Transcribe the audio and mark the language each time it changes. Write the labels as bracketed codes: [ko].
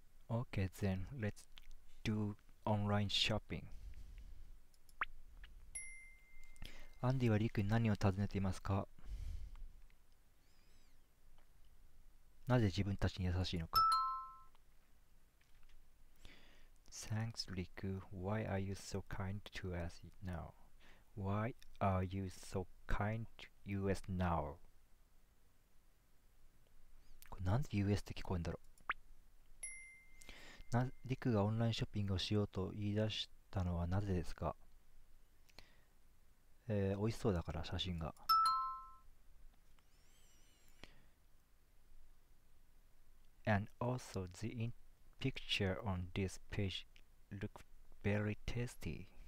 [en] Okay, then let's do online shopping. [ja] アンディはリクに何を尋ねていますか? なぜ自分たちに優しいのか? [en] Thanks, Riku. Why are you so kind to us now? Why are you so kind to us now? [ja] これなんで US って聞こえるんだろう。な、リクがオンラインショッピングをしようと言い出したのはなぜですか? 美味しそうだから写真が。 [en] And also, the picture on this page looks very tasty.